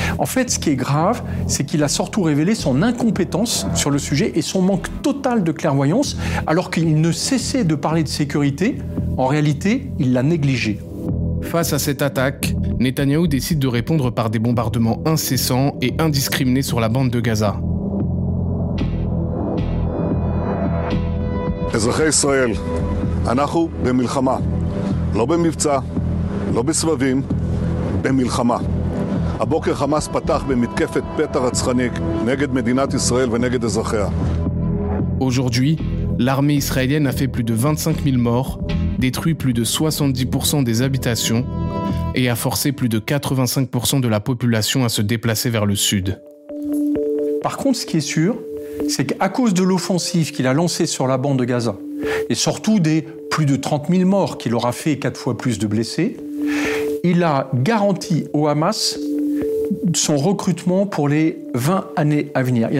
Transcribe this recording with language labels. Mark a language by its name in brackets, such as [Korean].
[French] En fait, ce qui est grave, c'est qu'il a surtout révélé son incompétence sur le sujet et son manque total de clairvoyance, alors qu'il ne cessait de parler de sécurité. En réalité, il l'a négligé. Face à cette attaque, Netanyahou décide de répondre par des bombardements incessants et indiscriminés sur la bande de Gaza. [Hebrew] אזרחי ישראל, אנחנו במלחמה, לא במבצע, לא בסבבים, במלחמה. הבוקר חמאס פתח במתקפת פתע רצחנית נגד מדינת ישראל ונגד אזרחיה. [French] Aujourd'hui, l'armée israélienne a fait plus de 25 000 morts, détruit plus de 70% des habitations et a forcé plus de 85% de la population à se déplacer vers le sud. Par contre, ce qui est sûr, c'est qu'à cause de l'offensive qu'il a lancée sur la bande de Gaza, et surtout des plus de 30 000 morts qu'il aura fait et 4 fois plus de blessés, il a garanti au Hamas son recrutement pour les 20 années à venir.